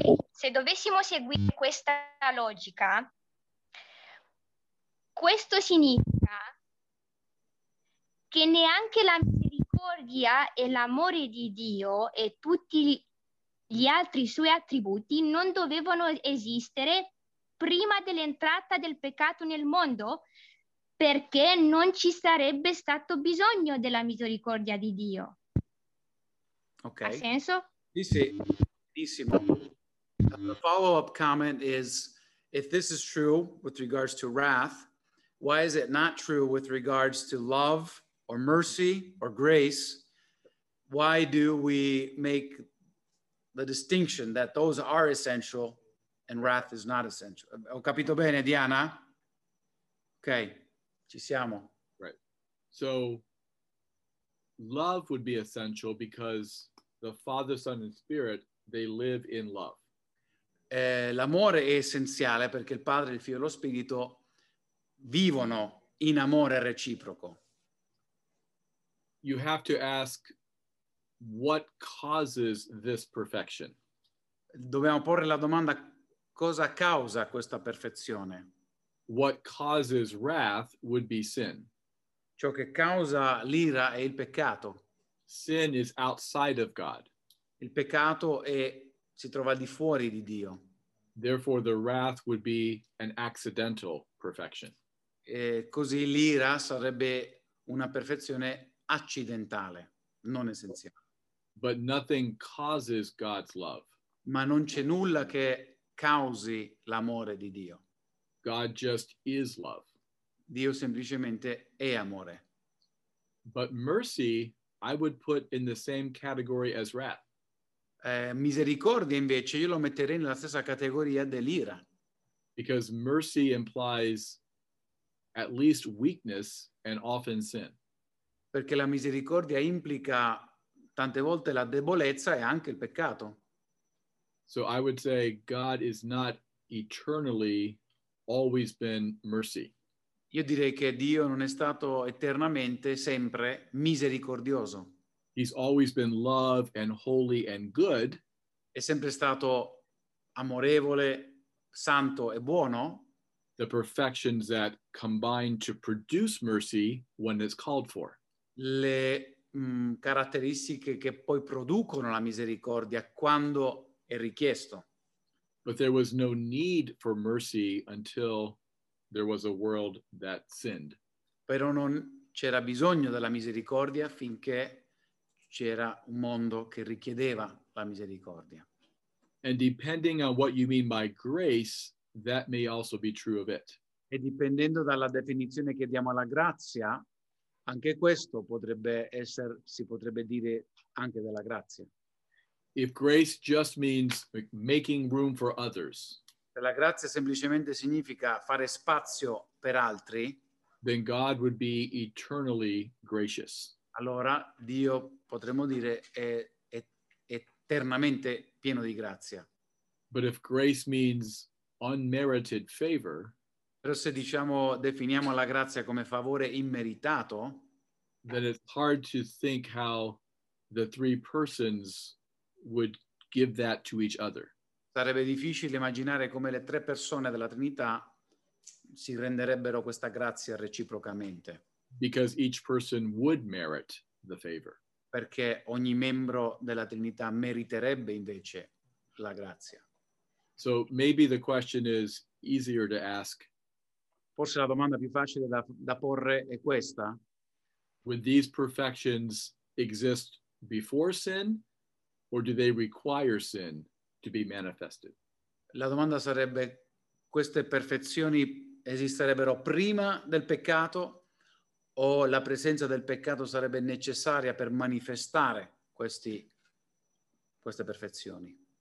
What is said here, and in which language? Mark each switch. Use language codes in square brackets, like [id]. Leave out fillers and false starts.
[it] Se dovessimo seguire questa logica, questo significa che neanche la misericordia e l'amore di Dio e tutti gli altri suoi attributi non dovevano esistere prima dell'entrata del peccato nel mondo, perché non ci sarebbe stato bisogno della misericordia di Dio. Ok. Ha senso? Sì, sì. Benissimo. [en] The follow-up comment is, if this is true with regards to wrath, why is it not true with regards to love or mercy or grace? Why do we make the distinction that those are essential and wrath is not essential? [it] Ho capito bene, Diana? Ok. Ci siamo. [en] Right. So, love would be essential because the Father, Son, and Spirit they live in love. [it] L'amore è essenziale perché il Padre, il Figlio e lo Spirito vivono in amore reciproco. [en] You have to ask, what causes this perfection? [it] Dobbiamo porre la domanda, cosa causa questa perfezione? [en] What causes wrath would be sin. [it] Ciò che causa l'ira è il peccato. [en] Sin is outside of God. [it] Il peccato è, si trova al di fuori di Dio. [en] Therefore, the wrath would be an accidental perfection. [it] E così l'ira sarebbe una perfezione accidentale, non essenziale. [en] But nothing causes God's love. [it] Ma non c'è nulla che causi l'amore di Dio. [en] God just is love. [it] Dio semplicemente è amore. [en] But mercy, I would put in the same category as wrath. [it] Misericordia invece io lo metterei nella stessa categoria dell'ira. [en] Because mercy implies at least weakness and often sin. [it] Perché la misericordia implica tante volte la debolezza e anche il peccato. [en] So I would say God is not eternally always been mercy. [it] Io direi che Dio non è stato eternamente sempre misericordioso. [en] He's always been love and holy and good. [it] È sempre stato amorevole, santo e buono. [en] The perfections that combine to produce mercy when it's called for. [it] Le caratteristiche che poi producono la misericordia quando è richiesto. [en] But there was no need for mercy until there was a world that sinned. [it] Però non c'era bisogno della misericordia finché c'era un mondo che richiedeva la misericordia. [en] And depending on what you mean by grace, that may also be true of it. [it] E dipendendo dalla definizione che diamo alla grazia, anche questo potrebbe essere, si potrebbe dire anche della grazia. [en] If grace just means making room for others, [it] se la grazia semplicemente significa fare spazio per altri, [en] then God would be eternally gracious. [it] Allora Dio, potremmo dire, è eternamente pieno di grazia. [en] But if grace means unmerited favor, [it] però se diciamo, definiamo la grazia come favore immeritato, [en] then it's hard to think how the three persons would give that to each other. [it] Sarebbe difficile immaginare come le tre persone della Trinità si renderebbero questa grazia reciprocamente. [en] Because each person would merit the favor. [it] Perché ogni membro della Trinità meriterebbe invece la grazia. [en] So maybe the question is easier to ask. [it] Forse la domanda più facile da porre è questa. [en] Would these perfections exist before sin, or do they require sin to be manifested? [it] La domanda sarebbe, queste perfezioni esisterebbero prima del peccato, o la presenza del peccato sarebbe necessaria per manifestare queste perfezioni?